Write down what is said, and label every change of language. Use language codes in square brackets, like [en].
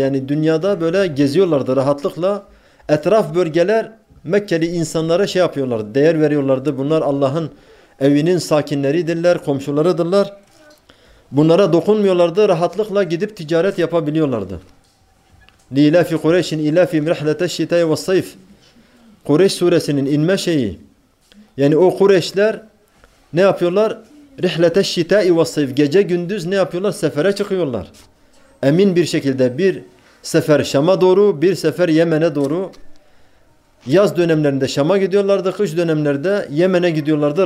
[tr] Yani dünyada böyle geziyorlardı rahatlıkla. Etraf bölgeler Mekkeli insanlara şey yapıyorlardı, değer veriyorlardı. Bunlar Allah'ın evinin sakinleridirler, komşularıdırlar. Bunlara dokunmuyorlardı. Rahatlıkla gidip ticaret yapabiliyorlardı. [ar] لِيْلَافِ قُرَيْشٍ اِلَافِ مِرَحْلَةَ الشِّتَيَ وَالصَّيْفِ [tr] Kureyş suresinin inme şeyi. Yani o Kureyşler ne yapıyorlar? [ar] Rihlete şitai ve sayf. [tr] Gece gündüz ne yapıyorlar? Sefere çıkıyorlar. Emin bir şekilde bir sefer Şam'a doğru, bir sefer Yemen'e doğru. Yaz dönemlerinde Şam'a gidiyorlardı, kış dönemlerde Yemen'e gidiyorlardı.